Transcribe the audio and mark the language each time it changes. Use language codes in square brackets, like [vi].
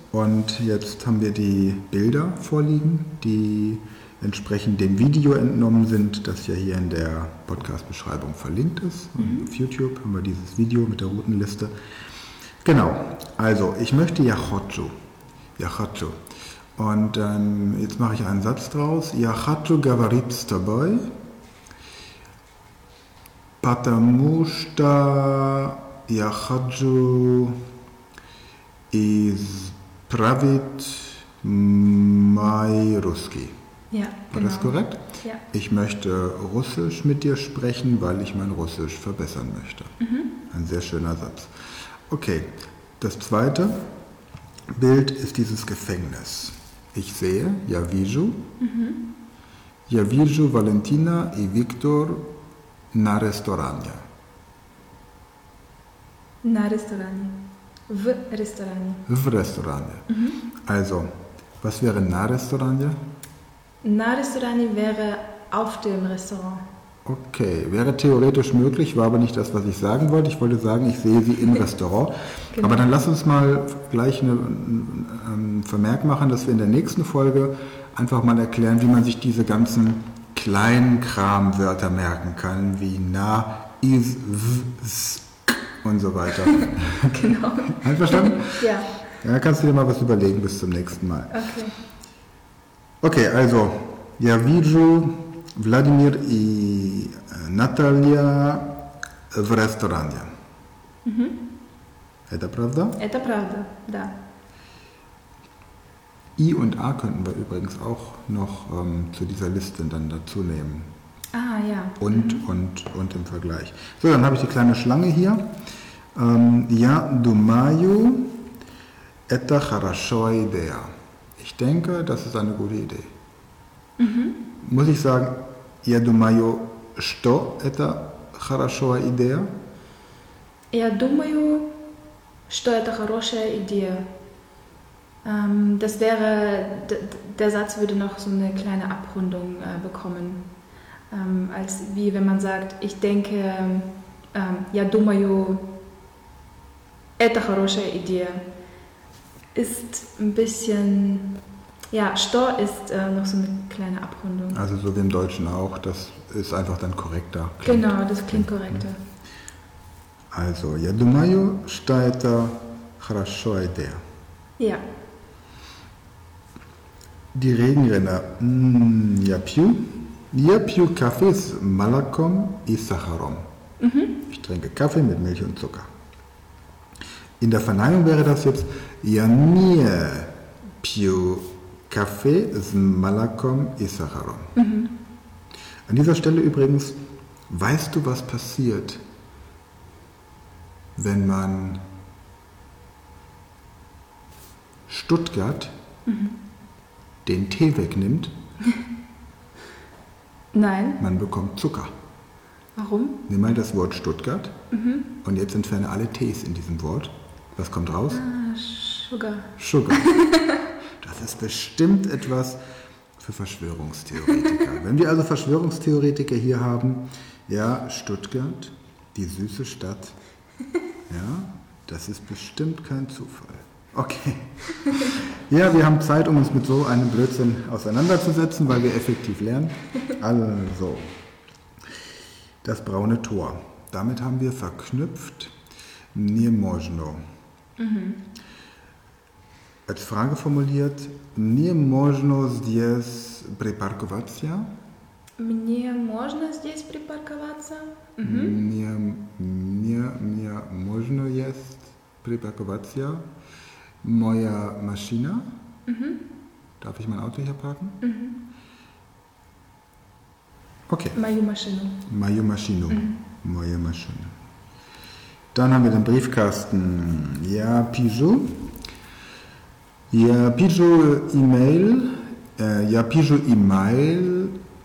[de] Und jetzt haben wir die Bilder vorliegen, die entsprechend dem Video entnommen sind, das ja hier in der Podcast-Beschreibung verlinkt ist. Mhm. Und auf YouTube haben wir dieses Video mit der Routenliste. Genau, also ich möchte [ru] Я хочу. [de] Und jetzt mache ich einen Satz draus. [ru] Я хочу говорить с тобой, потому что я хочу исправить мой русский. [de] Ja, war das korrekt? Ja. Ich möchte Russisch mit dir sprechen, weil ich mein Russisch verbessern möchte. Mhm. Ein sehr schöner Satz. Okay, das zweite Bild ist dieses Gefängnis. Ich sehe, [ru] я вижу, я вижу Валентина и Виктор на ресторане. На ресторане. В ресторане. В ресторане. [de] Also, was wäre [ru] на ресторане? На ресторане [de] wäre auf dem Restaurant. Okay, wäre theoretisch möglich, war aber nicht das, was ich sagen wollte. Ich wollte sagen, ich sehe sie im Restaurant. Genau. Aber dann lass uns mal gleich ein Vermerk machen, dass wir in der nächsten Folge einfach mal erklären, wie man sich diese ganzen kleinen Kramwörter merken kann, wie na, is, w, s, k und so weiter. Genau. Einverstanden? Ja. Dann kannst du dir mal was überlegen bis zum nächsten Mal. Okay. Okay, also, ja, [ru] вижу Wladimir i Natalia w restauranie. Mhm. Это правда? Это правда, да. [de] I und A könnten wir übrigens auch noch zu dieser Liste dann dazu nehmen. Ah, ja. Und im Vergleich. So, dann habe ich die kleine Schlange hier. [ru] Я думаю, это хорошая идея. [de] Ich denke, das ist eine gute Idee. Mhm. Muss ich sagen, [ru] я думаю, что это хорошая идея? Я думаю, что это хорошая идея. [de] Das wäre, der Satz würde noch so eine kleine Abrundung bekommen. Als wie wenn man sagt, ich denke, ja, [ru] думаю, это хорошая идея. [de] Ist ein bisschen, ja, stor ist noch so eine kleine Abrundung. Also so wie im Deutschen auch, das ist einfach dann korrekter. Klingt, genau, das klingt korrekter. Also, я думаю, что это хорошая идея. Ja. Die Regenrinne, [ru] я пью кофе с молоком и сахаром. Mhm. [de] Ich trinke Kaffee mit Milch und Zucker. In der Verneinung wäre das jetzt, [ru] я не пью кофе с молоком и сахаром. Mhm. [de] An dieser Stelle übrigens, weißt du, was passiert, wenn man Stuttgart den Tee wegnimmt? Nein. Man bekommt Zucker. Warum? Nimm mal das Wort Stuttgart und jetzt entferne alle Tees in diesem Wort. Was kommt raus? [en] Sugar. Sugar. [de] Das ist bestimmt etwas für Verschwörungstheoretiker. Wenn wir also Verschwörungstheoretiker hier haben, ja, Stuttgart, die süße Stadt, ja, das ist bestimmt kein Zufall. Okay. Ja, wir haben Zeit, um uns mit so einem Blödsinn auseinanderzusetzen, weil wir effektiv lernen. Also, das braune Tor. Damit haben wir verknüpft [ru] «не можно». Mhm. [de] Als Frage formuliert [ru] «не можно здесь припарковаться?» «Мне можно здесь припарковаться?» «Мне можно здесь припарковаться?» Моя машина? [de] Darf ich mein Auto hier parken? Mhm. Okay. [ru] Мою машину. Моя машина. [de] Dann haben wir den Briefkasten. [ru] Я пишу. Я пишу E-Mail. Я пишу E-Mail.